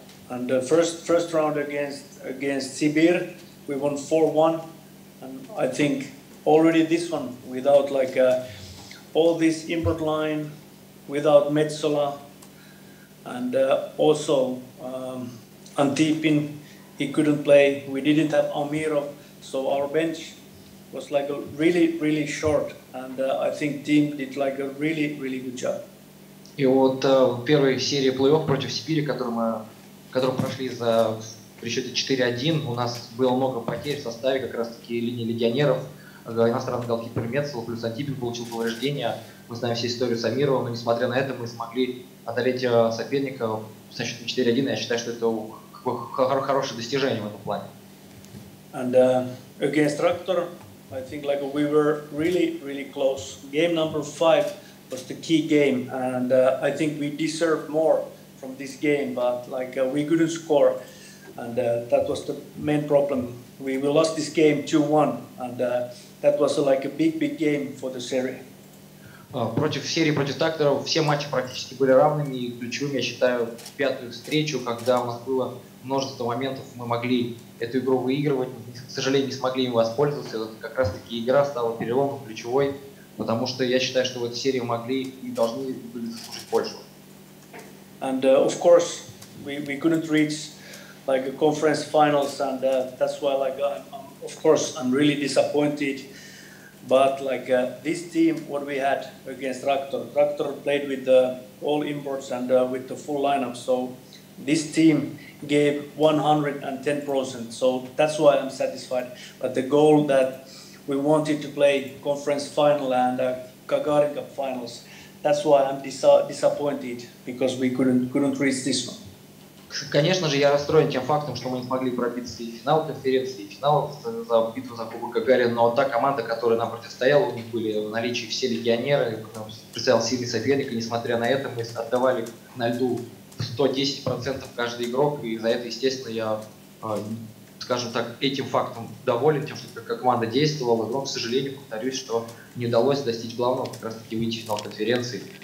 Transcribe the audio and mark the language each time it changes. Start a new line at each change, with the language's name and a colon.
English: And the first round against Sibir, we won 4-1, and I think already this one without all this import line, without Metsola, and also Antipin, he couldn't play. We didn't have Almirov, so our bench was really short, and I think team did a really good job.
Russian: И вот в первой серии плей-офф против Сибири, которую прошли за при счете 4-1, у нас было много потерь в составе, как раз-таки линии легионеров, иностранный голкипер Метцел, плюс Антипин получил повреждения. Мы знаем всю историю с Амировым, но несмотря на это, мы смогли одолеть соперника со счетом 4-1, я считаю, что это хорошее достижение в этом плане.
English: And against Raktor, I think we were really close. Game number 5 was the key game, and I think we deserved more from this game, but we couldn't score, and that was the main problem. We lost this game 2-1, and that was a big game for the series.
Russian: Против серии против Тактора все матчи практически были равными, и ключевыми, я считаю, в пятую встречу, когда у нас было множество моментов, мы могли эту игру выигрывать, к сожалению, не смогли им воспользоваться, это как раз-таки игра стала переломом, ключевой, потому что я считаю, что в этой серии могли и должны были заслужить Польшу.
English: And of course, we couldn't reach a conference finals, and that's why I'm really disappointed. But this team, what we had against Raktor played with all imports and with the full lineup. So this team gave 110%. So that's why I'm satisfied. But the goal that we wanted to play conference final and Gagarin Cup finals, that's why I'm disappointed, because we couldn't reach this one.
Russian: Конечно же, я расстроен тем фактом, что мы не смогли пробиться и финал конференции, и финал за битву за Кубок Гагарина, но та команда, которая нам противостояла, у них были в наличии все легионеры, представил сильный соперник, и несмотря на это, мы отдавали на льду 110% каждый игрок, и за это, естественно, я, скажем так, этим фактом доволен, тем, что команда действовала, но, к сожалению, повторюсь, что не удалось достичь главного, как раз-таки выйти в финал конференции.